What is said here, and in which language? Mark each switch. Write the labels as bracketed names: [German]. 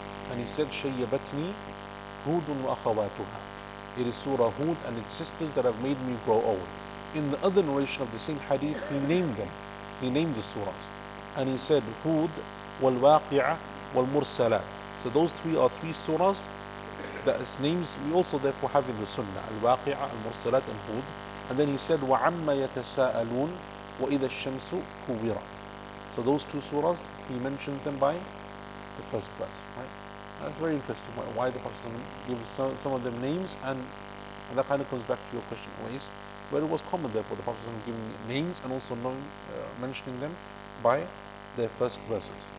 [English] And he said, [Arabic] Shayyabatni Hudun wa akhawatuha. [English] It is Surah Hud and its sisters that have made me grow old. In the other narration of the same hadith, he named them. He named the surahs. And he said, Hud wal waqi'a wal mursalat. So those three are three surahs that its names we also therefore have in the Sunnah, Al-Waqi'ah, Al-Mursalat, and Hud. And then he said, [Arabic] وَعَمَّ يَتَسَاءَلُونَ وَإِذَا الشَّمْسُ كُوِّرَ. [English] So those two surahs, he mentions them by the first verse. Right? That's very interesting why the Prophet gives some of them names, and that kind of comes back to your question always. But it was common therefore the Prophet giving names and also mentioning them by their first verses.